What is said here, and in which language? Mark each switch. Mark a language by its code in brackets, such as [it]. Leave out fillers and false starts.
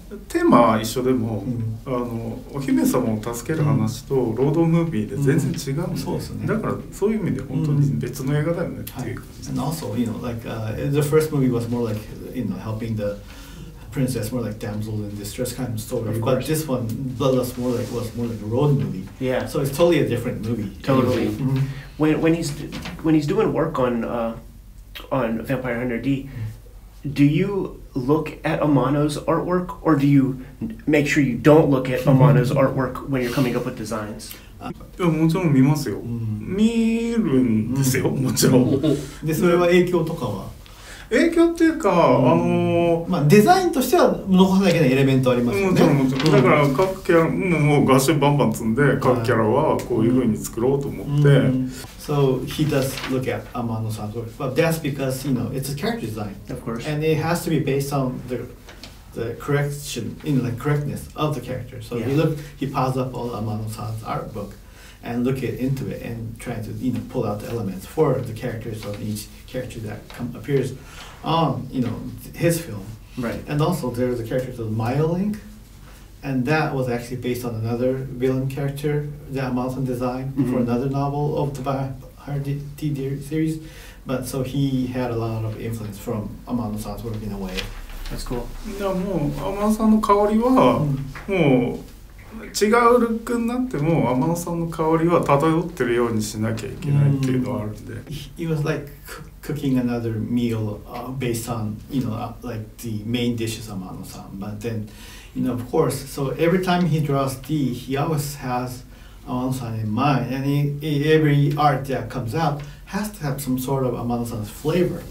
[ja] テーマは一緒でも、うん、お姫様を助ける話とロードムービーで全然違うので、うんうん、だからそういう意味で本当に別の映画だよねっていう感じ。 [en] And also, you know, like, the first movie was more like, you know, helping the princess, more like damsel in distress kind of story. Of course. But this one, Bloodlust, was more like a road movie. Yeah. So it's totally a different movie. Totally. Mm-hmm. When he's doing work on Vampire Hunter D, do you look at Amano's artwork, or do you make sure you don't look at Amano's artwork when you're coming up with designs? [ja] いやもちろん見ますよ、うん、見るんですよ、うん、もちろんでそれは影響とかは影響っていうか、うん、まあ、デザインとしては残さなきゃいけないエレメントありますよね。もちろんもちろん、だから各キャラ、うん、もう合衆バンバン積んで各キャラはこういう風に作ろうと思って、うんうん、 [en] So he does look at Amano's artwork, but that's because you know it's a character design, of course, and it has to be based on the correction in the correctness of the character. So yeah. He piles up all Amano-san's art book and look it into it and try to you know pull out the elements for the characters of each character that appears on you know his film. Right. And also there is a character called Maya Link, and that was actually based on another villain character that Amano-san designed mm-hmm. for another novel of the Bahardi series. But so he had a lot of influence from Amano-san's work in a way. That's cool. [ja] じゃあもうアマノさんの香りはもう違うルックになってもアマノさんの香りは漂ってるようにしなきゃいけないっていうのはあるんで。 [en] It was like cooking another meal based on you know like the main dishes アマノさん but then you know of course so every time he draws D he always has アマノさん in mind and he, every art that comes out has to have some sort of アマノさん's flavor